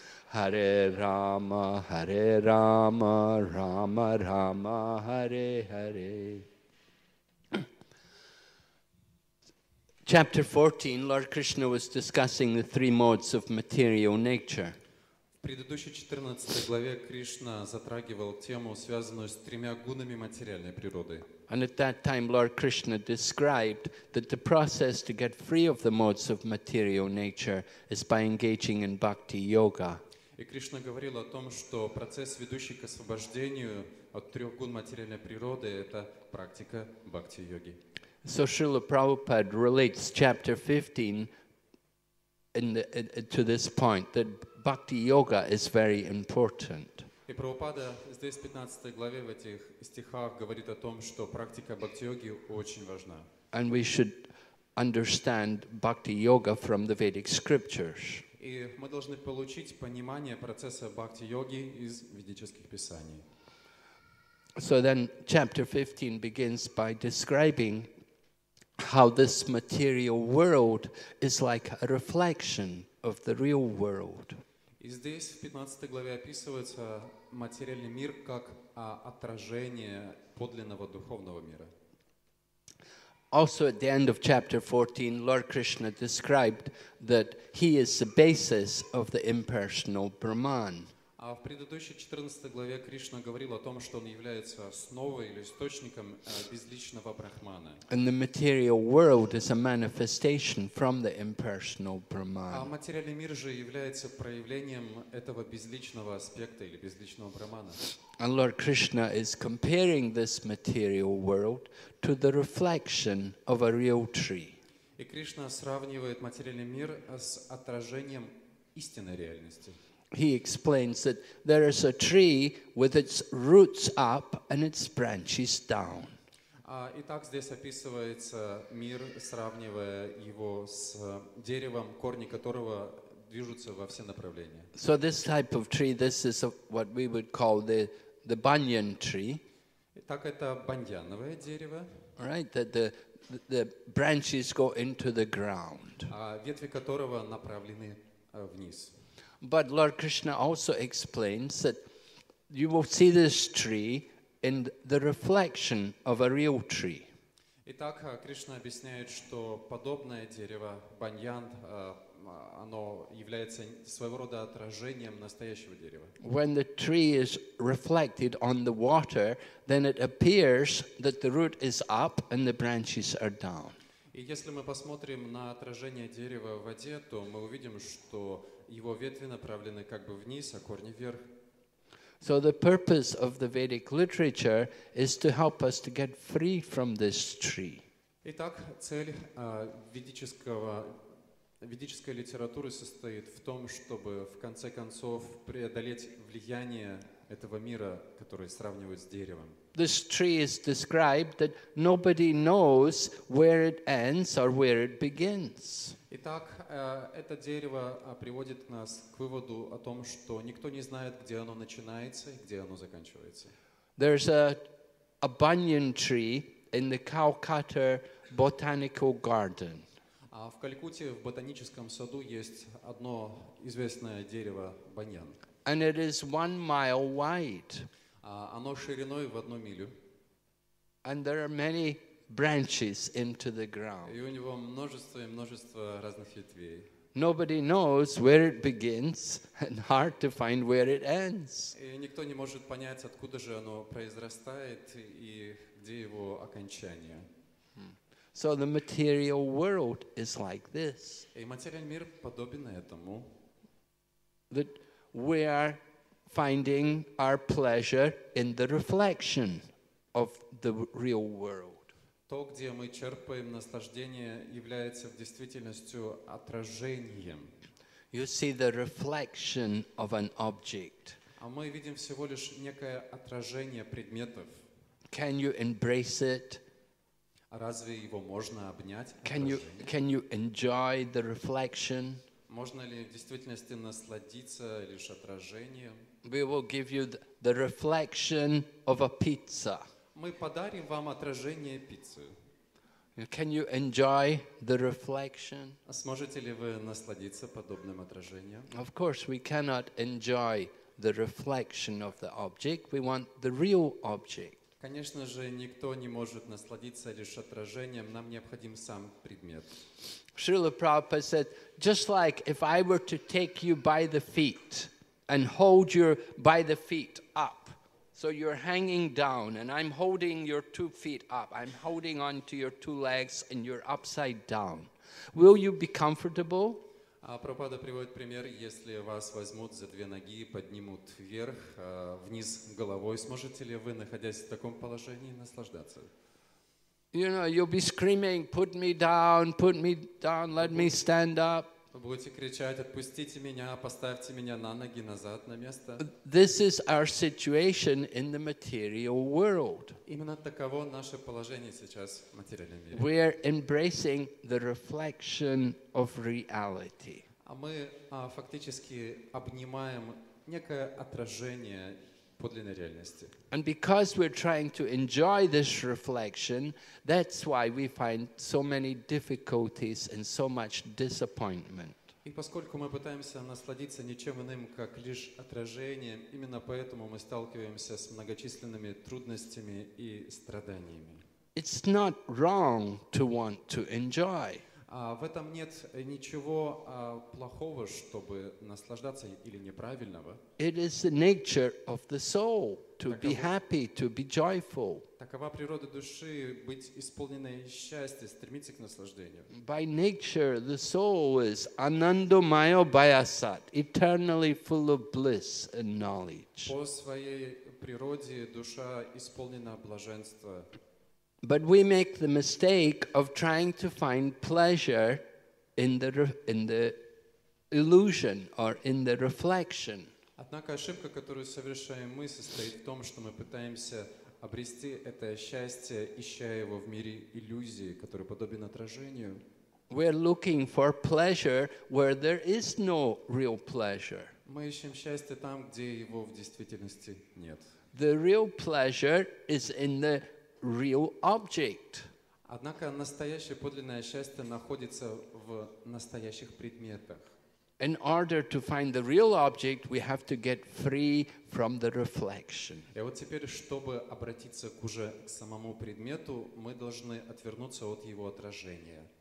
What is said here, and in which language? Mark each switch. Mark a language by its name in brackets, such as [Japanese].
[English] Hare Rama, Hare Rama, Rama Rama, Hare Hare Chapter 14, Lord Krishna was discussing the three modes of material nature. [Russian] В предыдущей 14 главе Кришна затрагивал тему, связанную с тремя гунами материальной природы. [English] And at that time Lord Krishna described that the process to get free of the modes of material nature is by engaging in bhakti yoga. [Russian] И Кришна говорил о том, что процесс, ведущий к освобождению от трех гун материальной природы, это практика бхакти-йоги. [English] So Srila Prabhupada relates chapter 15 to this point that bhakti yoga is very important. [Russian] И Прабхупада здесь в 15 главе в этих стихах говорит о том, что практика бхакти йоги очень важна. [English] And we should understand bhakti yoga from the Vedic scriptures. [Russian] И мы должны получить понимание процесса бхакти йоги из ведических писаний. [English] So then chapter 15 begins by describing how this material world is like a reflection of the real world. [Russian] И здесь в 15 главе описывается материальный мир как отражение подлинного духовного мира. [English] Also at the end of chapter 14, Lord Krishna described that he is the basis of the impersonal Brahman. [Russian] А в предыдущей 14 главе Кришна говорил о том, что он является основой или источником безличного Брахмана. [English] And the material world is a manifestation from the impersonal Brahman. [Russian] А материальный мир же является проявлением этого безличного аспекта или безличного Брахмана. [English] And Lord Krishna is comparing this material world to the reflection of a real tree. [Russian] И Кришна сравнивает материальный мир с отражением истинной реальности. [English] He explains that there is a tree with its roots up and its branches down. [Russian] Итак, здесь описывается мир, сравнивая его с деревом, корни которого движутся во все направления. [English] So this type of tree, this is what we would call the banyan tree. [Russian] Итак, это баньяновое дерево. [English] Right, that the branches go into the ground. [Russian] Ветви которого направлены вниз. [English] But Lord Krishna also explains that you will see this tree in the reflection of a real tree. [Russian] Итак, Кришна объясняет, что подобное дерево баньян, оно является своего рода отражением настоящего дерева. [English] When the tree is reflected on the water, then it appears that the root is up and the branches are down. [Russian] И если мы посмотрим на отражение дерева в воде, то мы увидим, что его ветви направлены как бы вниз, а корни вверх. [English] So the purpose of the Vedic literature is to help us to get free from this tree. [Russian] Итак, цель ведической литературы состоит в том, чтобы в конце концов преодолеть влияние этого мира, который сравнивают с деревом. [English] This tree is described that nobody knows where it ends or where it begins. [Russian] Итак, это дерево приводит нас к выводу о том, что никто не знает, где оно начинается и где оно заканчивается. [English] There's a banyan tree in the Calcutta Botanical Garden. [Russian] А в Калькутте в ботаническом саду есть одно известное дерево баньян. [English] And it is 1 mile wide. [Russian] Оно шириной в 1 милю. [English] And there are many branches into the ground. [Russian] И у него множество и множество разных ветвей. [English] Nobody knows where it begins and hard to find where it ends. [Russian] И никто не может понять, откуда же оно произрастает и где его окончание. [English] So the material world is like this. [Russian] И материальный мир подобен этому. [English] That we are finding our pleasure in the reflection of the real world. [Russian] То, где мы черпаем наслаждение, является в действительности отражением. [English] You see the reflection of an object. [Russian] А мы видим всего лишь некое отражение предметов. [English] Can you embrace it? [Russian] Разве его можно обнять? [English] Can you enjoy the reflection? [Russian] Можно ли в действительности насладиться лишь отражением? [English] We will give you the reflection of a pizza. [Russian] Мы подарим вам отражение пиццы. [English] Can you enjoy the reflection? [Russian] Сможете ли вы насладиться подобным отражением? [English] Of course, we cannot enjoy the reflection of the object. We want the real object. [Russian] Конечно же, никто не может насладиться лишь отражением. Нам необходим сам предмет. [English] Шрила Прабхупада said, just like if I were to take you by the feet and hold you by the feet up. So you're hanging down and I'm holding your 2 feet up. I'm holding on to your 2 legs and you're upside down. Will you be comfortable? [Russian] Прабхупада приводит пример, если вас возьмут за 2 ноги и поднимут вверх, вниз головой, сможете ли вы, находясь в таком положении, наслаждаться? [English] You know, you'll be screaming, put me down, let me stand up. [Russian] Вы будете кричать: «Отпустите меня, поставьте меня на ноги назад на место». [English] This is our situation in the material world. [Russian] Именно таково наше положение сейчас в материальном мире. [English] We are embracing the reflection of reality. [Russian] А мы фактически обнимаем некое отражение подлинной реальности. [English] And because we're trying to enjoy this reflection, that's why we find so many difficulties and so much disappointment. [Russian] И поскольку мы пытаемся насладиться ничем иным, как лишь отражением, именно поэтому мы сталкиваемся с многочисленными трудностями и страданиями. [English] It's not wrong to want to enjoy. [Russian] В этом нет ничего плохого, чтобы наслаждаться, или неправильного. [English] It is the nature of the soul to be happy, to be joyful. [Russian] Такова природа души — быть исполненной счастья, стремиться к наслаждению. [English] By nature, the soul is anandamaya bayasat, eternally full of bliss and knowledge. [Russian] По своей природе душа исполнена блаженства. [English] But we make the mistake of trying to find pleasure in the illusion or in the reflection. [Russian] Однако ошибка, которую совершаем мы, состоит в том, что мы пытаемся обрести это счастье, ища его в мире иллюзии, который подобен отражению. [English] We are looking for pleasure where there is no real pleasure. [Russian] Мы ищем счастье там, где его в действительности нет. [English] The real pleasure is in the real object. [Russian] Однако настоящее подлинное счастье находится в настоящих предметах. [English] In order to find the real object, we have to get free from the reflection. [Russian] И вот теперь, чтобы обратиться уже к самому предмету, мы должны отвернуться от его отражения.